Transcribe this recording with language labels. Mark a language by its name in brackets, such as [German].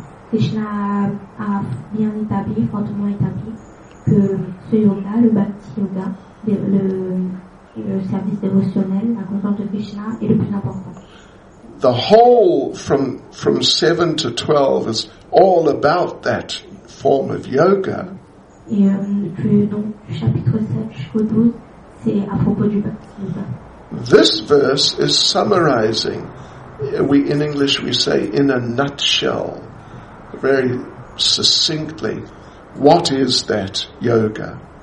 [French] Krishna a bien établi, fortement établi, que ce yoga, le bhakti yoga, le service dévotionnel, la conscience de Krishna est le plus important. [English] The whole from 7 to 12 is all about that form of yoga. [French] Et donc, du chapitre 7 jusqu'au 12, c'est à propos du bhakti yoga. [English] This verse is summarizing, we in English we say, in a nutshell, very succinctly, what is that yoga?